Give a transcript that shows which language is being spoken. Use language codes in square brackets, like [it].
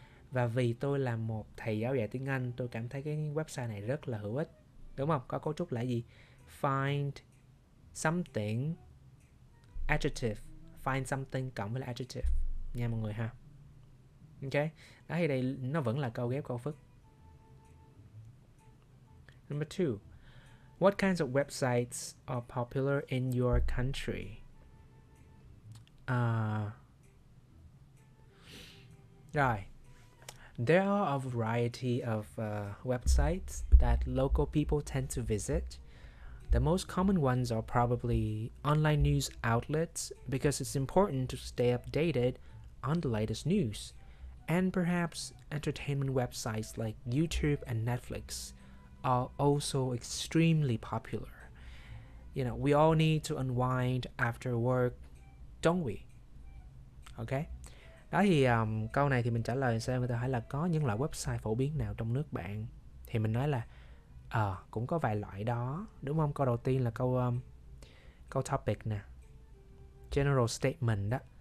[vi] Và vì tôi là một thầy giáo dạy tiếng Anh, tôi cảm thấy cái website này rất là hữu ích. Đúng không? Có cấu trúc là gì? [en] Find something adjective. Find something [vi] cộng với adjective. Nha mọi người ha. Ok. Đó thì đây nó vẫn là câu ghép câu phức. [en] Number two. What kinds of websites are popular in your country? [vi] Rồi. [en] There are a variety of websites that local people tend to visit. The most common ones are probably online news outlets because it's important to stay updated on the latest news. And perhaps entertainment websites like YouTube and Netflix are also extremely popular. You know, we all need to unwind after work, don't we? Okay. [vi] Đó thì câu này thì mình trả lời sao, người ta hỏi là có những loại website phổ biến nào trong nước bạn, thì mình nói là cũng có vài loại đó, đúng không? Câu đầu tiên là câu câu topic nè, [en] general statement [vi] đó.